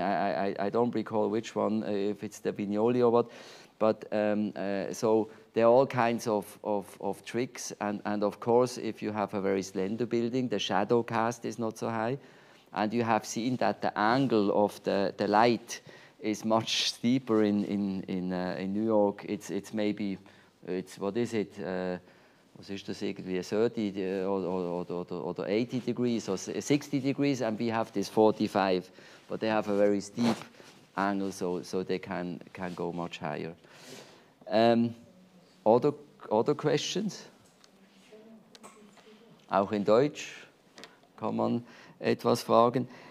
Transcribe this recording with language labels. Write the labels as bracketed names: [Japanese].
[English] I don't recall which one, if it's the Vignoli or what, but so there are all kinds of tricks. And of course, if you have a very slender building, the shadow cast is not so high. And you have seen that the angle of the light is much steeper in New York. It's maybe, it's what is it? [German] Was ist das irgendwie [English] 30 or 80 degrees or 60 degrees? And we have this 45, but they have a very steep angle, so they can go much higher. Other questions? [German] Auch in Deutsch kann man etwas fragen.